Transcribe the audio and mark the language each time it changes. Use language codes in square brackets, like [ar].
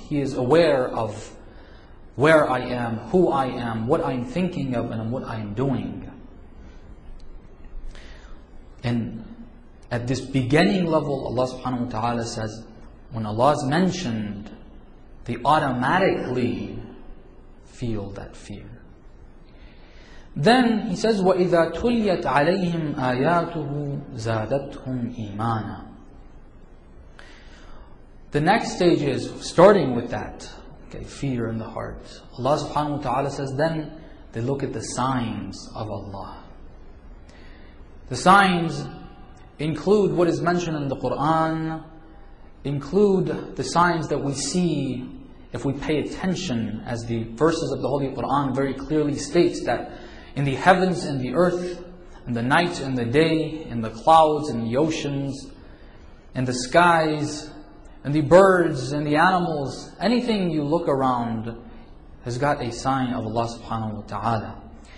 [en] He is aware of where I am, who I am, what I'm thinking of and what I'm doing. And at this beginning level, Allah subhanahu wa ta'ala says, when Allah is mentioned, they automatically feel that fear. Then He says, [ar] وَإِذَا تُلِّيَتْ عَلَيْهِمْ آيَاتُهُ زَادَتْهُمْ إِيمَانًا. [en] The next stage is, starting with that, okay, fear in the heart. Allah subhanahu wa ta'ala says, then they look at the signs of Allah. The signs include what is mentioned in the Qur'an, include the signs that we see if we pay attention, as the verses of the Holy Qur'an very clearly states that in the heavens and the earth, in the night and the day, in the clouds and the oceans, in the skies, in the birds and the animals, anything you look around has got a sign of Allah subhanahu wa ta'ala.